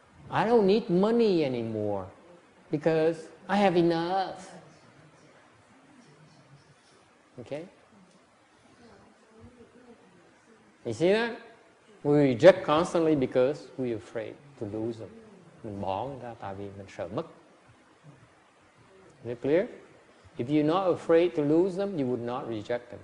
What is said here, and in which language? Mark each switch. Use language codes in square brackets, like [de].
[en] I don't need money anymore because I have enough. Okay? You see that? We reject constantly because we're afraid to lose them. [vi] Mình bỏ người ta tại vì mình sợ mất. [en] Is it clear? If you're not afraid to lose them, you would not reject them.